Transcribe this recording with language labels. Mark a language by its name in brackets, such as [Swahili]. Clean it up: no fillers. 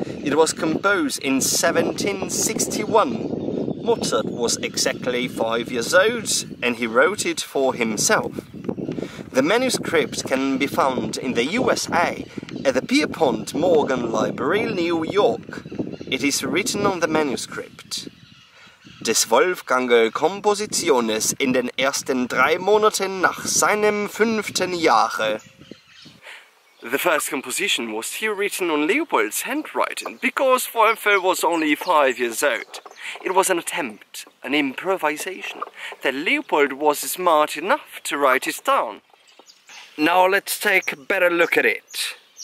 [English] It was composed in 1761. Mozart was exactly 5 years old and he wrote it for himself. The manuscript can be found in the USA at the Pierpont Morgan Library, New York. It is written on the manuscript. [German] Des Wolfganger Kompositiones in den ersten drei Monaten nach seinem fünften Jahre. [English] The first composition was here written on Leopold's handwriting because Wolfgang was only 5 years old. It was an attempt, an improvisation, that Leopold was smart enough to write it down. Now let's take a better look at it.